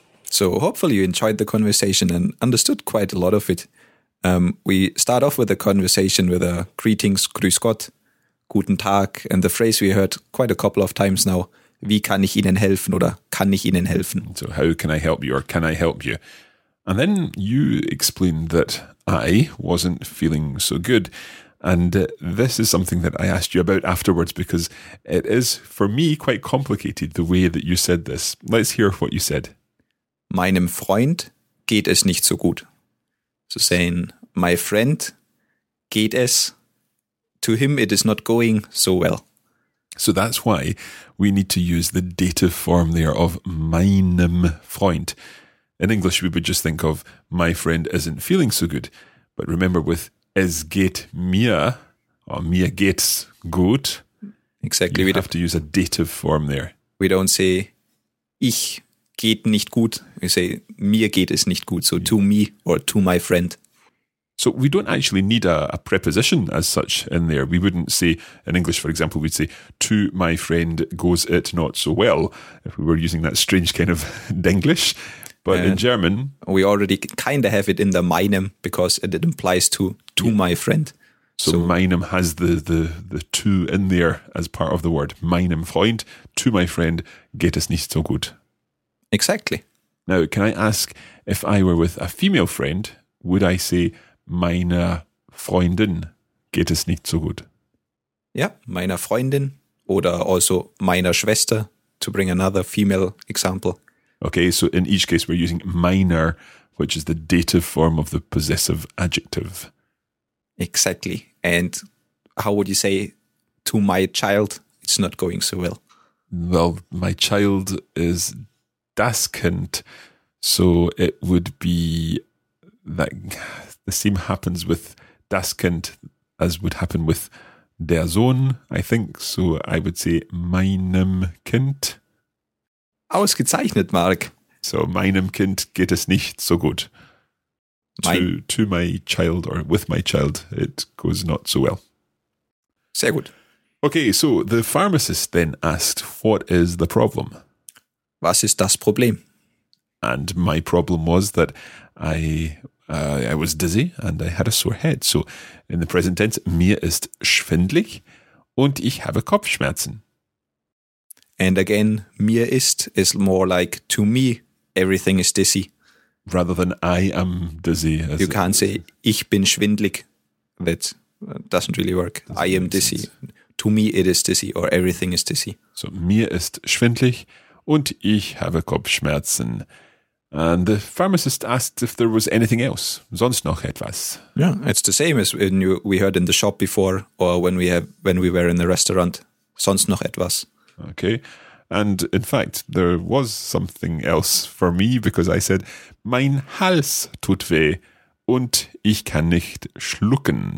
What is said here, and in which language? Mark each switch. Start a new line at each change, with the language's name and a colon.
English: So, hopefully you enjoyed the conversation and understood quite a lot of it. We start off with a conversation with a greetings,
German: grüß Gott, guten Tag,
English: and the phrase we heard quite a couple of times now.
German: Wie kann ich Ihnen helfen oder kann ich Ihnen helfen?
English: So how can I help you or can I help you? And then you explained that I wasn't feeling so good. And this is something that I asked you about afterwards because it is, for me, quite complicated the way that you said this. Let's hear what you said.
German: Meinem Freund geht es nicht so gut.
English: So saying, my friend
German: geht es,
English: to him it is not going so well. So that's why we need to use the dative form there of meinem Freund. In English, we would just think of my friend isn't feeling so good. But remember with
German: es geht mir,
English: or
German: mir geht's gut,
English: exactly. You have to use a dative form there. We don't say
German: ich geht nicht gut.
English: We say
German: mir geht es nicht gut.
English: So to me or to my friend. So we don't actually need a preposition as such in there. We wouldn't say, in English, for example, we'd say, to my friend goes it not so well, if we were using that strange kind of Denglish. But in German... We already kind of have it in the meinem, because it implies to my friend. So meinem has the to in there as part of the word.
German: Meinem Freund,
English: to my friend,
German: geht es nicht so gut.
English: Exactly. Now, can I ask, if I were with a female friend, would I say...
German: meiner Freundin geht es nicht so gut. Ja, meiner Freundin oder also meiner Schwester,
English: to bring another female example. Okay, so in each case we're using meiner, which is the dative form of the possessive adjective. Exactly. And how would you say to my child, it's not going so well? Well, my child is das Kind, so it would be that the same happens with das Kind as would happen with der Sohn, I think. So I would say
German: meinem Kind. Ausgezeichnet, Mark. So meinem Kind geht es nicht so gut.
English: To my child or with my child, it goes not so well.
German: Sehr gut.
English: Okay, so the pharmacist then asked, what is the problem?
German: Was ist das Problem?
English: And my problem was that I was dizzy and I had a sore head. So in the present tense,
German: mir ist schwindlig und ich habe Kopfschmerzen.
English: And again,
German: mir ist
English: more like to me, everything is dizzy. Rather than I am dizzy. You can't say
German: ich bin schwindlig.
English: That doesn't really work. I am dizzy. Sense. To me it is dizzy or everything is dizzy.
German: So mir ist schwindlig und ich habe Kopfschmerzen.
English: And the pharmacist asked if there was anything else,
German: sonst noch etwas.
English: Yeah, it's the same as when we heard in the shop before or when we were in the restaurant,
German: sonst noch etwas.
English: Okay, and in fact, there was something else for me because I said,
German: mein Hals tut weh und ich kann nicht schlucken.